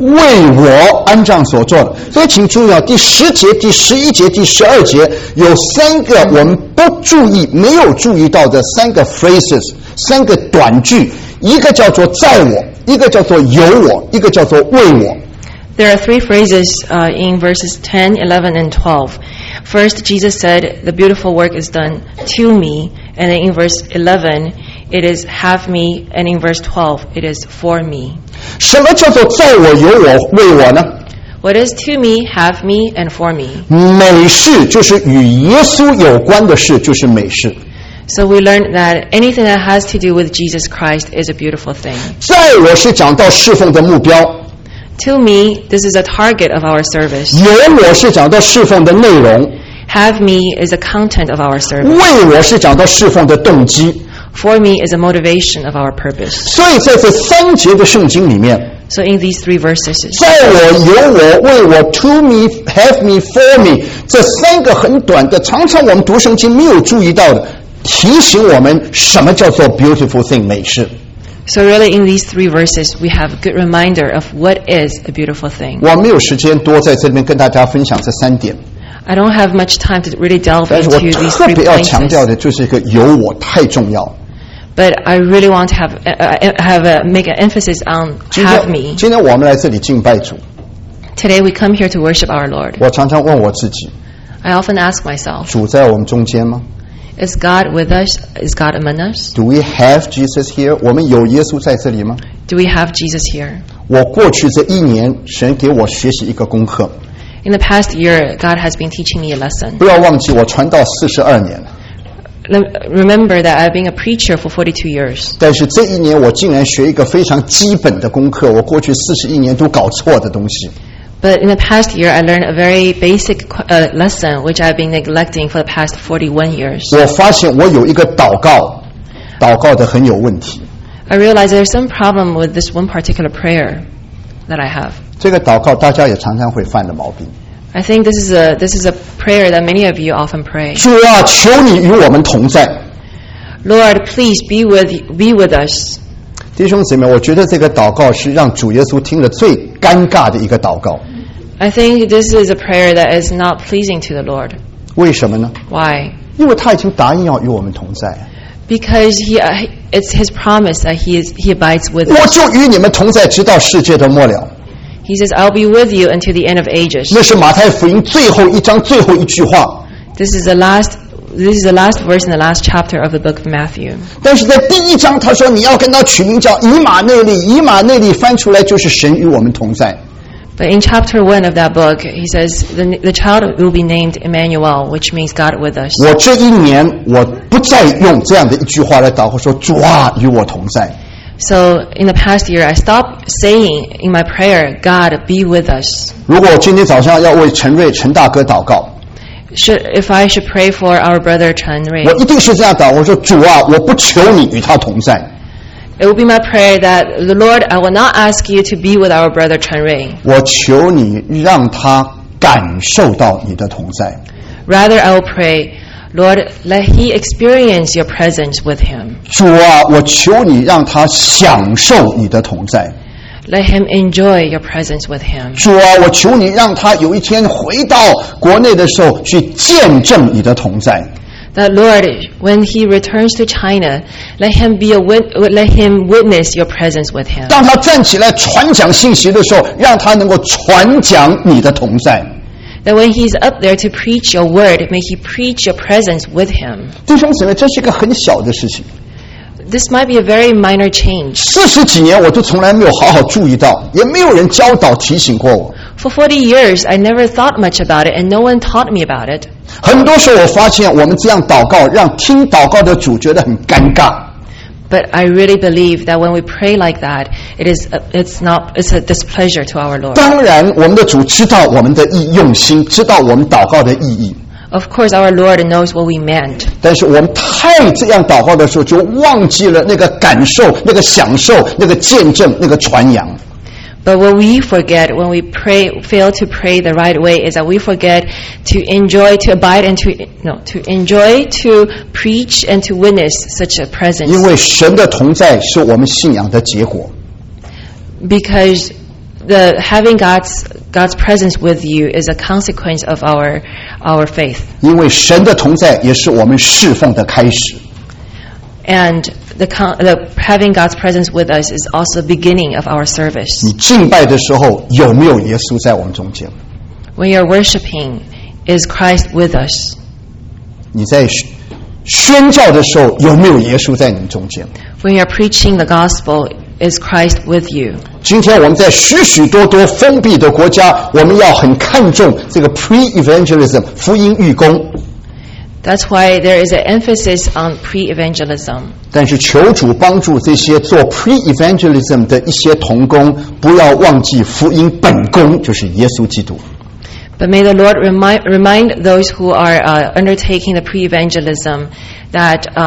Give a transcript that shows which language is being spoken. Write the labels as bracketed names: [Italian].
[Chinese] 为我安葬所做的。所以请注意啊，第十节、第十一节、第十二节有三个我们不注意、没有注意到的三个 phrases， 三个短句，一个叫做在我，一个叫做有我，一个叫做为我。 [English] There are three phrases in verses 10, 11, and 12. First, Jesus said, the beautiful work is done to me. And then in verse 11, it is have me. And in verse 12, it is for me. [Chinese] 什么叫做在我有我为我呢？ [English] What is to me, have me, and for me? [Chinese] 美事就是与耶稣有关的事就是美事。 [English] So we learn that anything that has to do with Jesus Christ is a beautiful thing. [Chinese] 在我是讲到侍奉的目标。 [English] To me, this is a target of our service. [Chinese] 有我是讲到侍奉的内容。 [English] Have me is the content of our service. [Chinese] 为我是讲到侍奉的动机。 [English] For me is a motivation of our purpose. [Chinese] 所以在这三节的圣经里面。 [English] So in these three verses. [Chinese] 在我、有我、为我、 [English] to me, have me, for me, [Chinese] 这三个很短的，常常我们读圣经没有注意到的，提醒我们什么叫做 [English] beautiful thing, [Chinese] 美事。 [English] So really, in these three verses, we have a good reminder of what is a beautiful thing. [Chinese] 我没有时间多在这边跟大家分享这三点。 [English] I don't have much time to really delve into these three points. [Chinese] 但是我特别要强调的就是一个有我太重要。 [English] But I really want to make an emphasis on have me. [Chinese] 今天我们来这里敬拜主。 [English] Today we come here to worship our Lord. [Chinese] 我常常问我自己。 [English] I often ask myself. [Chinese] 主在我们中间吗？ [English] Is God with us? Is God among us? Do we have Jesus here? [Chinese] 我们有耶稣在这里吗？ [English] Do we have Jesus here? [Chinese] 我过去这一年，神给我学习一个功课。 [English] In the past year, God has been teaching me a lesson. [Chinese] 不要忘记，我传道42年。 [English] Remember that I've been a preacher for 42 years. [Chinese] 但是这一年，我竟然学一个非常基本的功课，我过去41年都搞错的东西。 [English] But in the past year, I learned a very basic lesson, which I've been neglecting for the past 41 years. [Chinese] 我发现我有一个祷告，祷告的很有问题。 [English] I realize there's some problem with this one particular prayer that I have. [Chinese] 这个祷告大家也常常会犯的毛病。 [English] I think this is a prayer that many of you often pray. [Chinese] 主啊，求你与我们同在。 [English] Lord, please be with us. [Chinese] 弟兄姊妹，我觉得这个祷告是让主耶稣听了最尴尬的一个祷告。 [English] I think this is a prayer that is not pleasing to the Lord. [Chinese] 为什么呢 [English] ？Why? [Chinese] 因为他已经答应要与我们同在。 [English] Because it's his promise that he abides with us. [Chinese] 我就与你们同在，直到世界的末了。 [English] He says, "I'll be with you until the end of ages." [Chinese] 那是马太福音最后一章最后一句话。 [English] This is the last verse in the last chapter of the book of Matthew. [Chinese] 但是在第一章，他说你要跟他取名叫以马内利，以马内利翻出来就是神与我们同在。 [English] But in chapter 1 of that book, he says the child will be named Emmanuel, which means God with us. [Chinese] 我这一年我不再用这样的一句话来祷告，说主啊与我同在。 [English] So in the past year, I stopped saying in my prayer, "God be with us." [Chinese] 如果今天早上要为陈瑞陈大哥祷告。 [English] If I should pray for our brother Chen Rui, [Chinese] 我一定是这样祷告，我说主啊，我不求你与他同在。 [English] It will be my prayer that the Lord, I will not ask you to be with our brother Chen Rui. [Chinese] 我求你让他感受到你的同在。 [English] Rather, I will pray, Lord, let he experience your presence with him. [Chinese] 主啊，我求你让他享受你的同在。 [English] Let him enjoy your presence with him. [Chinese] 主啊，我求你让他有一天回到国内的时候去见证你的同在。 [English] That Lord, when he returns to China, let him witness your presence with him. [Chinese] 当他站起来传讲信息的时候，让他能够传讲你的同在。 [English] That when he's up there to preach your word, may he preach your presence with him. [Chinese] 弟兄姊妹，这是一个很小的事情。 [English] This might be a very minor change. [Chinese] 四十几年我都从来没有好好注意到，也没有人教导提醒过我。 [English] For 40 years, I never thought much about it, and no one taught me about it. [Chinese] 很多时候我发现，我们这样祷告，让听祷告的主觉得很尴尬。 [English] But I really believe that when we pray like that, it's a displeasure to our Lord. [Chinese] 当然，我们的主知道我们的意用心，知道我们祷告的意义。 [English] Of course, our Lord knows what we meant. [Chinese] 但是我们太这样祷告的时候，就忘记了那个感受、那个享受、那个见证、那个传扬。 [English] But what we forget when we pray, fail to pray the right way, is that we forget to enjoy, to abide, and to enjoy, to preach, and to witness such a presence. [Chinese] 因为神的同在是我们信仰的结果。 [English] Because having God's presence with you is a consequence of our faith. [Chinese] 因为神的同在也是我们侍奉的开始。 [English] And the having God's presence with us is also the beginning of our service. [Chinese] 你敬拜的时候有没有耶稣在我们中间 [English] ？When you're worshiping, is Christ with us? [Chinese] 你在宣教的时候有没有耶稣在你们中间 [English] ？When you're preaching the gospel, is Christ with you? [Chinese] 今天我们在许许多多封闭的国家，我们要很看重这个 pre-evangelism 福音预工。 [English] That's why there is an emphasis on pre-evangelism. [Chinese] 但是求主帮助这些做 pre-evangelism 的一些同工，不要忘记福音本工，就是耶稣基督。 [English] But may the Lord remind those who are undertaking the pre-evangelism that